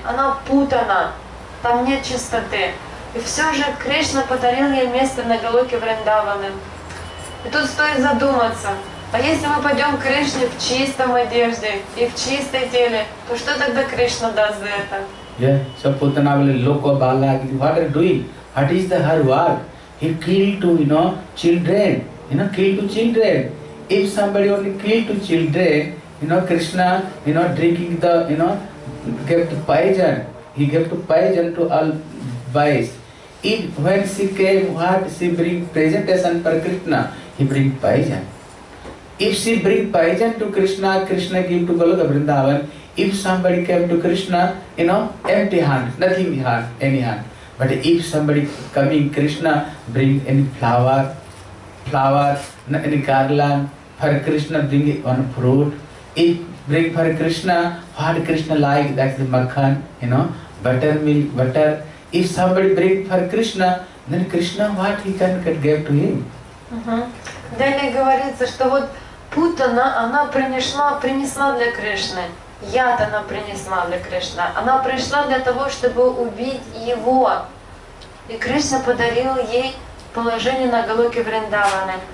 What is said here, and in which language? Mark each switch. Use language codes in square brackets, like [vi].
[ru] Она путана, там нет чистоты. И все же Кришна подарил ей место на Голоке Вриндаване. И тут стоит задуматься, а если мы пойдем к Кришне в чистом одежде и в чистой теле, то что тогда Кришна даст за это? [en] Yeah, so Putana will look at Balagni. What are you doing? What is the her work? He killed to, you know, children. You know, killed to children. If somebody only killed to children, You know, Krishna, you know, drinking the, you know, kept poison. He kept poison to all boys. If when she came, what she bring presentation for Krishna? He bring poison. If she bring poison to Krishna, Krishna give to Goloka Vrindavan. If somebody came to Krishna, you know, empty hand, nothing hand, any hand. But if somebody coming Krishna, bring any flower, any garland for Krishna, bring one fruit. If bring for Krishna, what Krishna like, that's the makhan, you know, buttermilk, butter. If somebody bring for Krishna, then Krishna, what he can give to him? [ru] Далее говорится, что вот путана, она принесла для Кришны. Яд она принесла для Кришны. Она пришла для того, чтобы убить его. И Кришна подарил ей положение на Галоке Вриндаване.